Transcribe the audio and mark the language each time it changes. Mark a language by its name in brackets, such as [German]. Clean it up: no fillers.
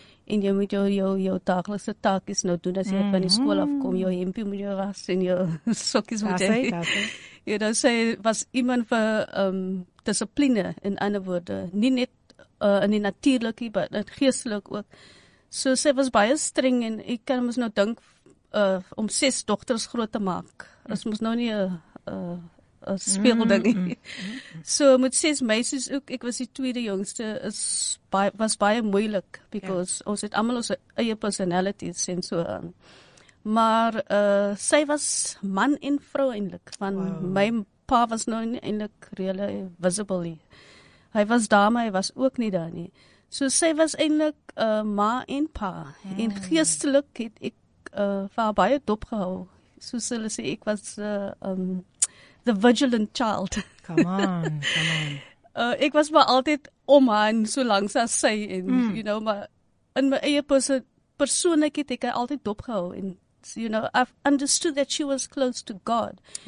[Afrikaans] En jy moet jou dagelikse taakies nou doen, as jy van die school afkom, jou hempie moet jou was, en jou sokkies moet jy. Daar sê. [English] You know, [Afrikaans] sy was iemand vir discipline, in ander woorde. Nie net in die natuurlijke, maar in geestelik ook. So sy was baie streng en ek kan ons nou dink om 6 dogters groot te maak. Ons moes nou nie 'n speelding nie. So met 6 meisies ook, ek was die tweede jongste, was baie moeilik. Because ons het allemaal ons eie personalities en so aan. Maar sy was man en vrou eindelijk. Van my pa was nou nie eindelijk really visible nie. Hy was daar, maar hy was ook nie daar nie. So sy was eintlik ma en pa. En geestelik het ek vir haar baie dop gehou. Soos hulle sê, ek was [English] the vigilant child. Come on. [Afrikaans] Ek was maar altyd om haar en so langs as sy. En, [English] you know, [Afrikaans] maar in my eie persoonlik het ek haar altyd dop gehou. [English] En, you know, I've understood that she was close to God.